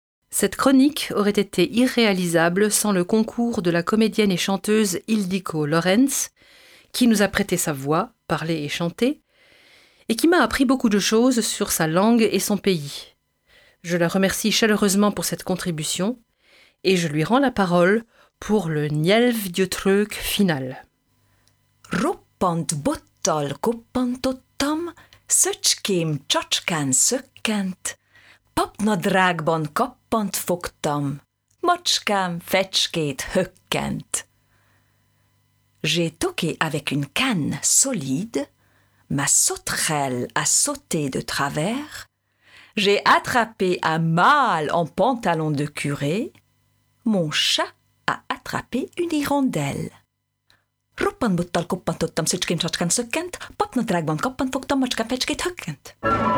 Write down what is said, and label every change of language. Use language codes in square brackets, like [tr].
[fr] Cette chronique aurait été irréalisable sans le concours de la comédienne et chanteuse Ildikó Lorenz, qui nous a prêté sa voix, parlée et chantée, et qui m'a appris beaucoup de choses sur sa langue et son pays. Je la remercie chaleureusement pour cette contribution, et je lui rends la parole pour le nyelvdjötrök final. [hu] Roppant bottal koppantottam, szöcském csacskán szökkent, papnadrágban kappant fogtam, macskám fecskét hökkent. [fr] J'ai toqué avec une canne solide, ma sauterelle a sauté de travers, j'ai attrapé un mâle en pantalon de curé, mon chat a attrapé une hirondelle. [hu] Roppant bottal koppantottam, szöcském csacskán szökkent, papnadrágban kappant fogtam, macskám fecskét hökkent.